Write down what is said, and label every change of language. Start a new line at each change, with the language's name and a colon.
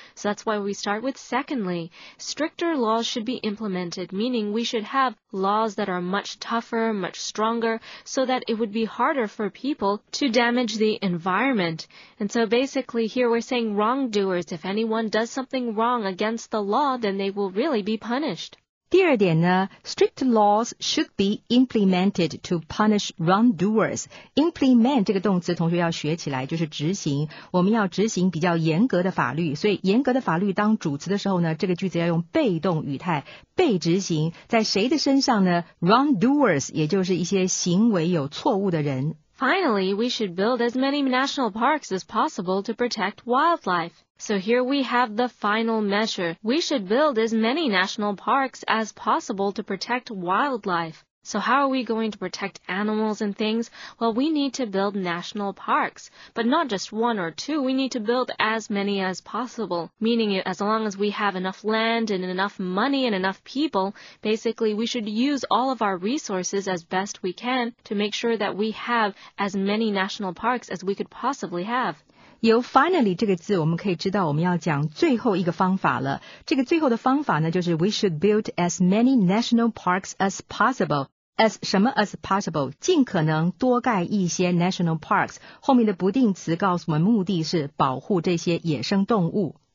English: So that's why we start with secondly. Stricter laws should be implemented, meaning we should have laws that are much tougher, much stronger, so that it would be harder for people to damage the environment. And so basically here we're saying wrongdoers, if anyone does something wrong against the law, then they will really be punished.
Chinese: 第二点呢
English: ,strict laws should be implemented to punish wrongdoers.
Chinese: Implement 这个动词同学要学起来就是执行。我们要执行比较严格的法律。所以严格的法律当主词的时候呢这个句子要用被动语态被执行。在谁的身上呢 ?wrongdoers, 也就是一些行为有错误的人。
English: Finally, we should build as many national parks as possible to protect wildlife. So here we have the final measure. We should build as many national parks as possible to protect wildlife. So how are we going to protect animals and things? Well, we need to build national parks. But not just one or two, we need to build as many as possible. Meaning as long as we have enough land and enough money and enough people, basically we should use all of our resources as best we can to make sure that we have as many national parks as we could possibly have.
Chinese: 由 finally 这个字我们可以知道我们要讲最后一个方法了。这个最后的方法呢就是
English: we should build as many national parks as possible. As
Chinese: 什么
English: as possible?
Chinese: 尽可能多盖一些
English: national parks.
Chinese: 后面的不定词告诉我们目的是保护这些野生动物。